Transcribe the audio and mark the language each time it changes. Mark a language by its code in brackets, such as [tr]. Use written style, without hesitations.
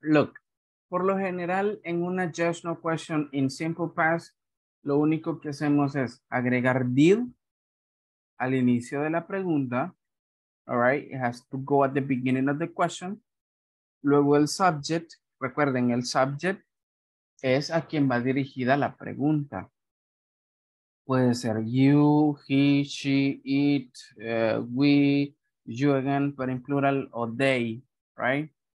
[es] Look, por lo general, en una [en] just no question in simple past, [es] lo único que hacemos es agregar did al inicio de la pregunta. [en] All right, it has to go at the beginning of the question. [es] Luego el subject, recuerden, el subject es a quien va dirigida la pregunta. Puede ser [en] you, he, she, it, we, you again, but in plural, or they, right?